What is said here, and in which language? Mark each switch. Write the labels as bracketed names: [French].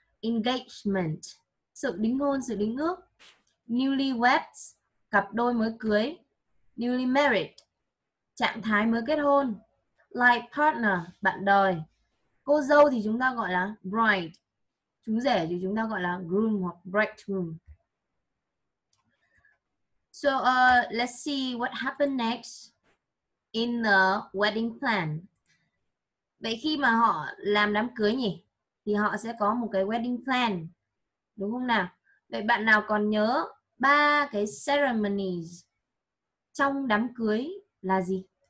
[Vietnamese] Engagement, sự đính hôn, sự đính ước. Newlyweds, cặp đôi mới cưới. Newly married, trạng thái mới kết hôn. Life partner, bạn đời. Cô dâu thì chúng ta gọi là bride. Chú rể thì chúng ta gọi là groom hoặc bridegroom. [English] So let's see what happened next in the wedding plan. [Vietnamese] Vậy khi mà họ làm đám cưới nhỉ, thì họ sẽ có một cái wedding plan. Đúng không nào? Vậy bạn nào còn nhớ ba cái ceremonies trong đám cưới là gì?